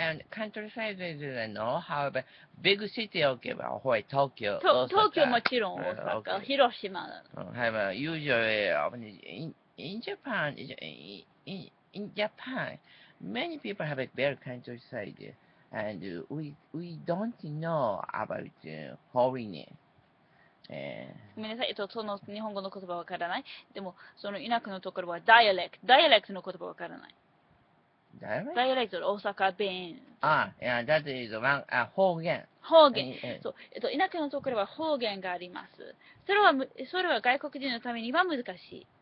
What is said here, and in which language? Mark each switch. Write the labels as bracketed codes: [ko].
[en] Countryside is a no, however, big city, okay, but, Tokyo. [ja] 東京もちろん、大阪、広島。 [en] However, usually, in Japan, many people have a very countryside, and we don't know about foreigners. [ja] ごめんなさい、その日本語の言葉わからない。でも、その田舎のところはダイアレクト。ダイアレクトの言葉わからない。ダイアレクト？ダイアレクト、大阪弁。 [en] That is one, 方言。 [ja] 方言。そう、田舎のところは方言があります。それは外国人のためには難しい。